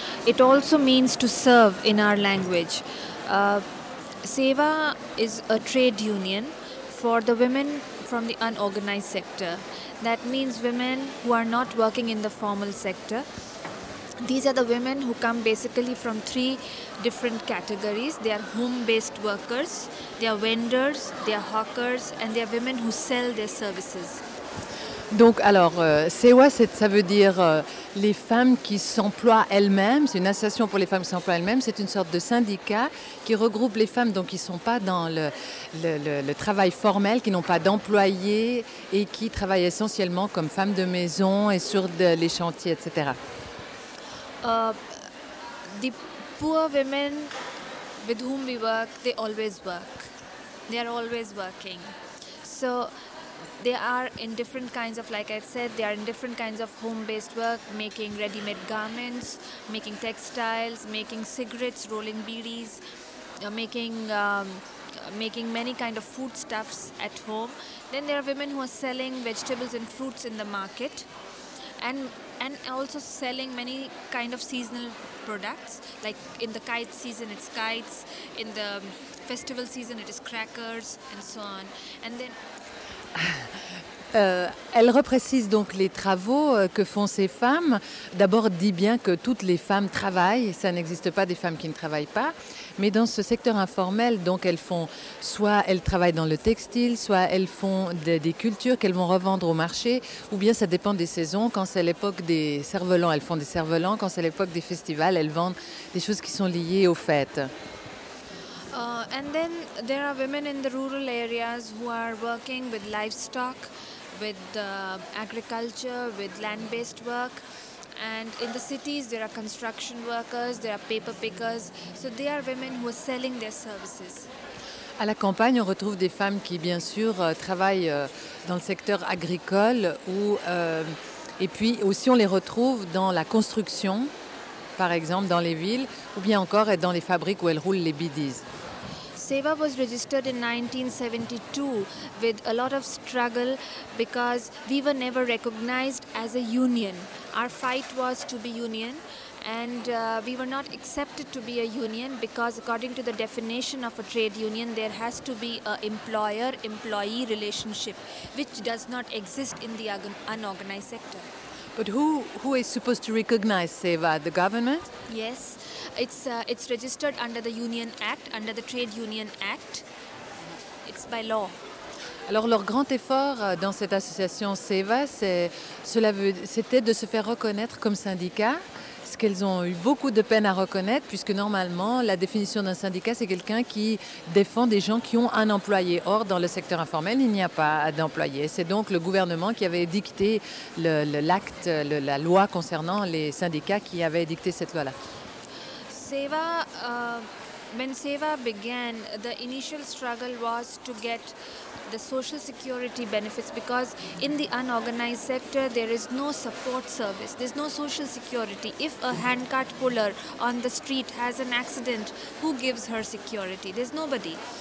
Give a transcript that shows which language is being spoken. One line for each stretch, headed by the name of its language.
English: It also means to serve in our language. SEVA is a trade union for the women from the unorganized sector. That means women who are not working in the formal sector. These are the women who come basically from three different categories. They are home-based workers, they are vendors, they are hawkers, and they are women who sell their services.
French: Donc alors, SEWA, ça veut dire les femmes qui s'emploient elles-mêmes, c'est une association pour les femmes qui s'emploient elles-mêmes, c'est une sorte de syndicat qui regroupe les femmes donc, qui ne sont pas dans le travail formel, qui n'ont pas d'employés et qui travaillent essentiellement comme femmes de maison et sur les chantiers, etc.
English: The poor women with whom we work, they always work. They are always working. So... They are in different kinds of, like I said, they are in different kinds of home-based work, making ready-made garments, making textiles, making cigarettes, rolling beedies, making many kind of foodstuffs at home. Then there are women who are selling vegetables and fruits in the market, and also selling many kind of seasonal products, like in the kite season it's kites, in the festival season it is crackers and so on, and then.
French: Elle reprécise donc les travaux que font ces femmes. D'abord, dit bien que toutes les femmes travaillent. Ça n'existe pas des femmes qui ne travaillent pas. Mais dans ce secteur informel, donc elles font soit elles travaillent dans le textile, soit elles font des cultures qu'elles vont revendre au marché. Ou bien ça dépend des saisons. Quand c'est l'époque des cervelans, elles font des cervelans. Quand c'est l'époque des festivals, elles vendent des choses qui sont liées aux fêtes.
English: And then there are women in the rural areas who are working with livestock, with agriculture, with land-based work. And in the cities, there are construction workers, there are paper pickers. So they are women who are selling their services.
French: À la campagne, on retrouve des femmes qui, bien sûr, travaillent dans le secteur agricole. Et puis aussi, on les retrouve dans la construction. par exemple, dans les villes, ou bien encore être dans les fabriques où elles roulent les bidis.
English: Seva was registered in 1972 with a lot of struggle because we were never recognized as a union. Our fight was to be union and we were not accepted to be a union because according to the definition of a trade union, there has to be an employer-employee relationship which does not exist in the unorganized sector. But who is supposed to recognize Seva? The government? Yes. It's registered under the Union Act, under the Trade Union Act. It's by law.
French: Alors leur grand effort dans cette association Seva, c'était de se faire reconnaître comme syndicat, ce qu'elles ont eu beaucoup de peine à reconnaître, puisque normalement, la définition d'un syndicat, c'est quelqu'un qui défend des gens qui ont un employé. Or, dans le secteur informel, il n'y a pas d'employé. C'est donc le gouvernement qui avait dicté la loi concernant les syndicats qui avait dicté cette loi-là.
English: Seva, when Seva began, the initial struggle was to get the social security benefits because in the unorganized sector there is no support service, there's no social security. If a handcart puller on the street has an accident, who gives her security? There's nobody.